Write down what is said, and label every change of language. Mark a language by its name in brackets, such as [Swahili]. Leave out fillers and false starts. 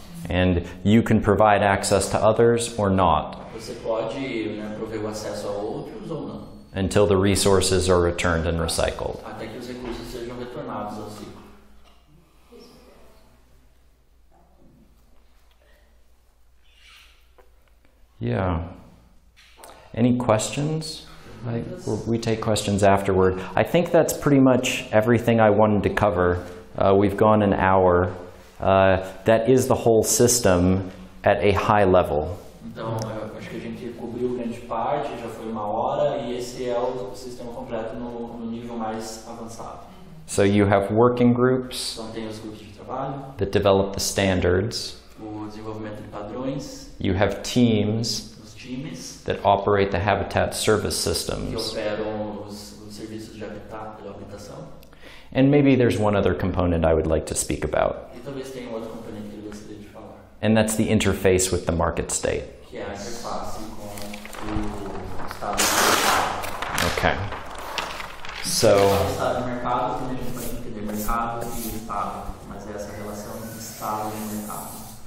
[English] And you can provide access to others or not. [Portuguese] Você pode, né, prover o acesso a outros ou não. [English] Until the resources are returned and recycled. [Portuguese] Até que os recursos sejam retornados ao ciclo. [English] Yeah. Any questions? We take questions afterward. I think that's pretty much everything I wanted to cover. We've gone an hour. That is the whole system at a high level. [Portuguese] Então, eu acho que a gente cobriu grande parte, já foi uma hora, e esse é o sistema completo no nível mais avançado. [English] So you have working groups, [Portuguese] então, tem os grupos de trabalho, [English] that develop the standards. [Portuguese] O desenvolvimento de padrões. [English] You have teams. [Portuguese] Times [English] that operate the habitat service systems. [Portuguese] Que operam os serviços de habitat, de habitação. [English] And maybe there's one other component I would like to speak about. [Portuguese] E talvez tenha um outro componente que eu gostaria de falar. [English] And that's the interface with the market state. [Portuguese] Que é a interface com o estado de mercado. [English] Okay. So, [Portuguese] o estado de mercado, que a gente pode entender mercado e estado, mas é essa relação entre estado e mercado.